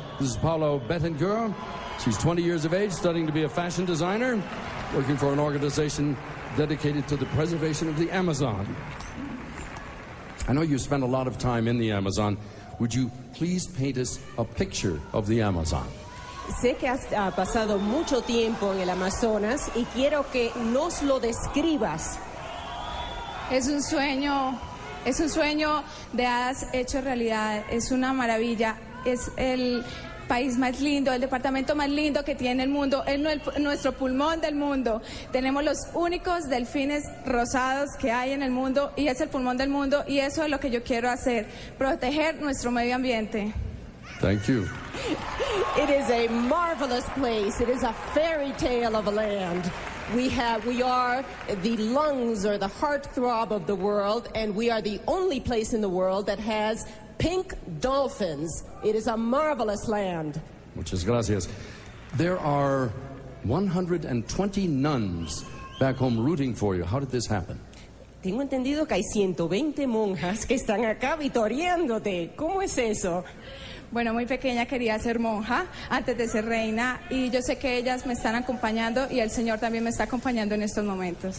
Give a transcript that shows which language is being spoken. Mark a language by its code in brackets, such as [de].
[en] This is Paolo Betancur. She's 20 years of age, studying to be a fashion designer, working for an organization dedicated to the preservation of the Amazon. I know you spend a lot of time in the Amazon. Would you please paint us a picture of the Amazon? [es] Sé que has pasado mucho tiempo en el Amazonas y quiero que nos lo describas. Es un sueño de has hecho realidad. Es una maravilla. Es el país más lindo, el departamento más lindo que tiene el mundo, es nuestro pulmón del mundo. Tenemos los únicos delfines rosados que hay en el mundo y es el pulmón del mundo y eso es lo que yo quiero hacer, proteger nuestro medio ambiente. [en] Thank you. It is a marvelous place. It is a fairy tale of a land. We are the lungs or the heartthrob of the world and we are the only place in the world that has pink dolphins. It is a marvelous land. [es] Muchas gracias. [en] There are 120 nuns back home rooting for you. How did this happen? [es] Tengo entendido que hay 120 monjas que están acá vitoreándote. ¿Cómo es eso? Bueno, muy pequeña quería ser monja antes de ser reina. Y yo sé que ellas me están acompañando y el Señor también me está acompañando en estos momentos.